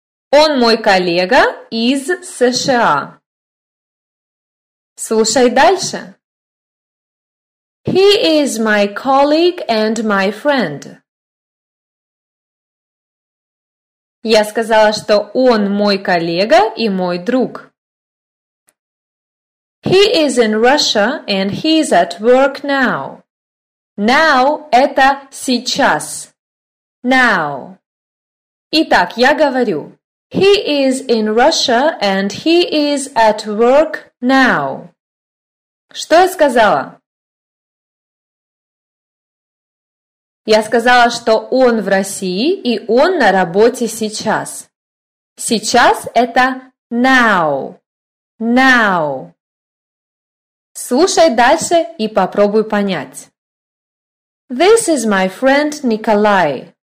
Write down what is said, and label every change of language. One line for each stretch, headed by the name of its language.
Russian: Он мой коллега из США. Слушай дальше.
English: He is my colleague and my friend.
Russian: Я сказала, что он мой коллега и мой друг.
English: He is in Russia and he is at work now.
Russian: Now – это сейчас. Now. Итак, я говорю.
English: He is in Russia and he is at work now.
Russian: Что я сказала? Я сказала, что он в России и он на работе сейчас. Сейчас – это now.
English: Now.
Russian: Слушай дальше и попробуй понять.
English: This is my friend Николай.